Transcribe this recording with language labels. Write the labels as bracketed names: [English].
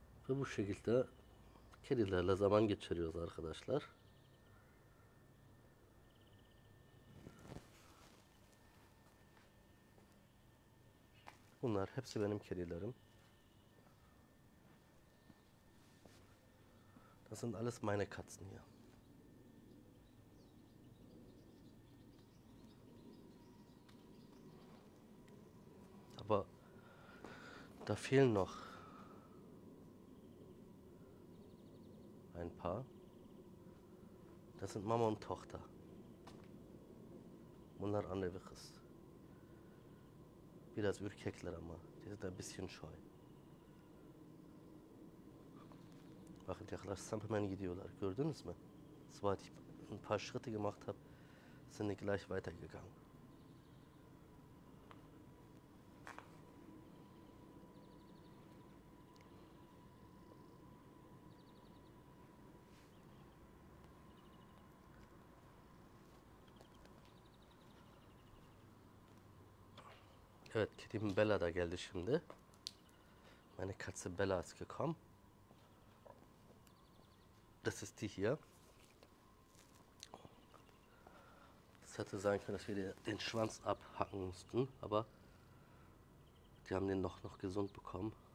[Turkish] Ve bu şekilde kedilerle zaman geçiriyoruz arkadaşlar. Bunlar hepsi benim kedilerim. [German] Das sind alles meine Katzen hier. Aber da fehlen noch ein paar. Das sind Mama und Tochter. [Turkish] Bunlar anne ve kız. Biraz ürkekler ama. [German] Die sind ein bisschen scheu. [Turkish] Bakın yaklaşsam hemen gidiyorlar. Gördünüz mü? [German] Sobald ich ein paar Schritte gemacht habe, sind die gleich weitergegangen. [Turkish] Evet, kedim Bella da geldi şimdi. [German] Meine Katze Bella ist gekommen. Das ist die hier. Es hätte sein können, dass wir den Schwanz abhacken mussten, aber die haben den noch gesund bekommen.